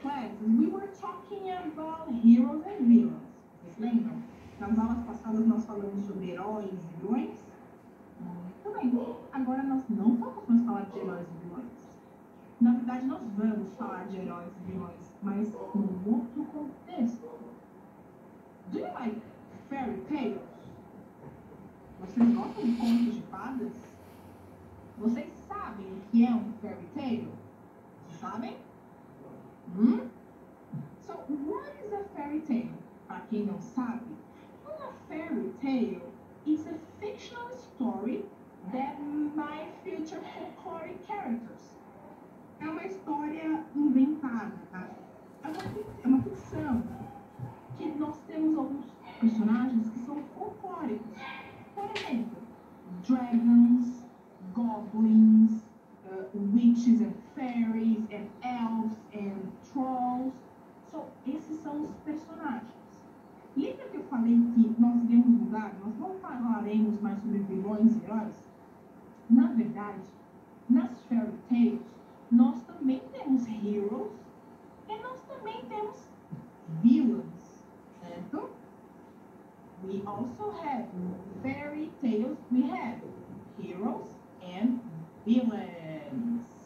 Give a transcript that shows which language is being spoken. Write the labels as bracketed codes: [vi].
[en] class, we were talking about heroes and villains. [pt] Vocês lembram? Nas aulas passadas, nós falamos sobre heróis e vilões. Muito bem. Agora, nós não vamos mais falar de heróis e vilões. Na verdade, nós vamos falar de heróis e vilões, mas num outro contexto. [en] Do you like fairy tales? [pt] Vocês gostam de contos de fadas? Vocês sabem o que é um fairy tale? Vocês sabem? [en] So, what is a fairy tale? [pt] Para quem não sabe, [en] a fairy tale is a fictional story that might feature folkloric characters. [pt] É uma história inventada, tá? É uma ficção que nós temos alguns personagens que são folclóricos. Por exemplo, [en] dragons, goblins, witches and fairies, and elves and trolls. [pt] So, esses são os personagens. Lembra que eu falei que nós iremos mudar? Nós não falaremos mais sobre vilões e heróis? Na verdade, nas fairy tales, nós também temos heroes e nós também temos villains, certo? [en] We also have fairy tales, we have heroes and villains.